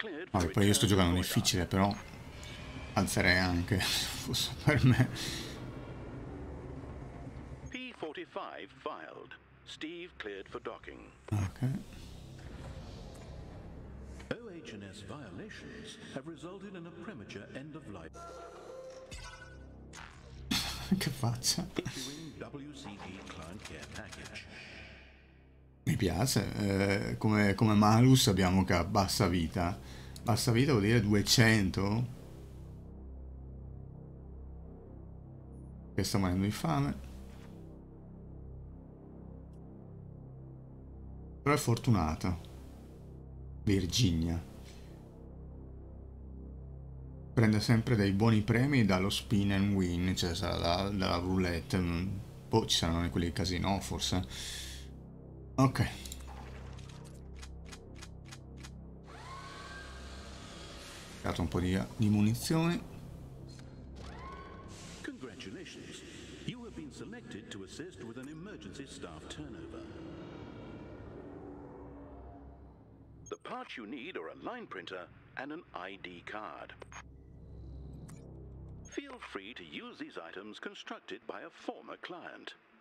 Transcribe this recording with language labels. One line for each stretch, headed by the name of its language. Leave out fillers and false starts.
Italian: Vabbè, poi io sto giocando difficile, però alzerei anche se fosse per me.
English: P45 filed. Steve cleared for docking. Ok. OH&S violations have resulted in a premature end of life.
Italian: Che faccia.
English: WCD client care package.
Italian: Mi piace, come malus abbiamo che ha bassa vita. Bassa vita vuol dire 200? Che sta morendo di fame. Però è fortunata. Virginia. Prende sempre dei buoni premi dallo spin and win, cioè sarà dalla roulette. Poi ci saranno quelli di casino, forse. Ok. Ho dato un po' di munizioni.
English: Congratulations. You have been selected to assist with an emergency staff turnover. The parts you need are a line printer and an ID card. Feel free to use these items constructed by a former client.